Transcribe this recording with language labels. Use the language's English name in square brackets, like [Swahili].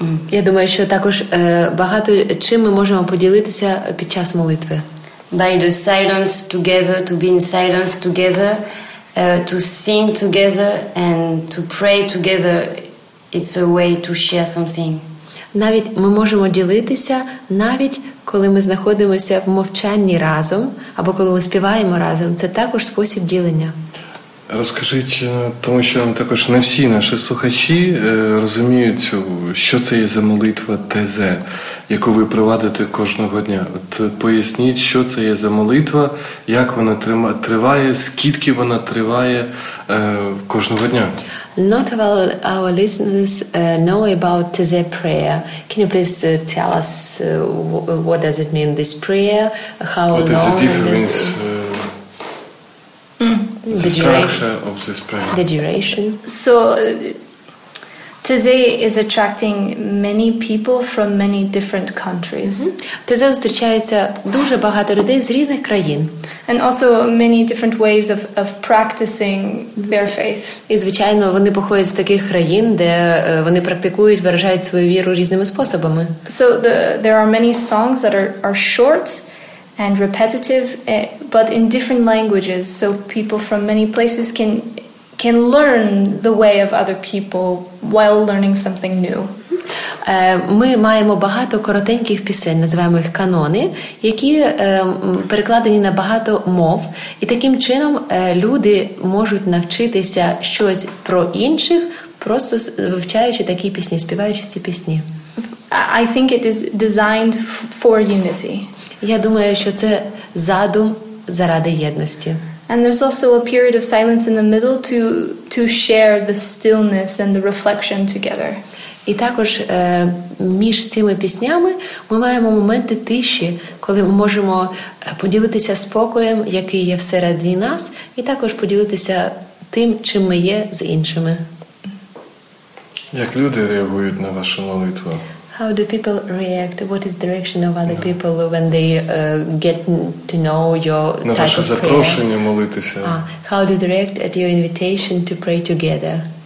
[Ukrainian] Я думаю, що також багато чим ми можемо поділитися під час молитви. [English] By the silence together, to be in silence together, to sing together and to pray together, it's a way to share something. [Ukrainian] Навіть ми можемо ділитися, навіть коли ми знаходимося в мовчанні разом, або коли ми співаємо разом, це також спосіб ділення. Розкажіть, тому що також не всі наші слухачі розуміють, що це є за молитва ТЗ, яку ви проводите кожного дня. От поясніть, що це є за молитва, як вона триває, скільки вона триває кожного дня. [English] Not all our listeners know about TZ prayer. Can you please tell us what does it mean, this prayer? How what long is the difference? The structure of this prayer. The duration. So, TZ is attracting many people from many different countries. [Ukrainian] TZ зустрічається дуже багато людей з різних країн. [English] And also many different ways of practicing their faith. [Ukrainian] І, звичайно, вони походять з таких країн, де вони практикують, виражають свою віру різними способами. [English] So, there are many songs that are short and repetitive, but in different languages, so people from many places can learn the way of other people while learning something new. [Ukrainian] Ми маємо багато коротеньких пісень, називаємо їх канони, які перекладені на багато мов, і таким чином люди можуть навчитися щось про інших, просто вивчаючи такі пісні, співаючи ці пісні. [English] I think it is designed for unity. [Ukrainian] Я думаю, що це задум заради єдності. [English] And there's also a period of silence in the middle to share the stillness and the reflection together. [Ukrainian] І також між цими піснями ми маємо моменти тиші, коли ми можемо поділитися спокоєм, який є всередині нас, і також поділитися тим, чим ми є з іншими. Як люди реагують на вашу молитву? [English] How do people react? What is the reaction of other people when they get to know your [Ukrainian] на [English] type [Ukrainian] ваше [English] of prayer? [Ukrainian] Запрошення молитися? [English] How do they react at your invitation to pray together?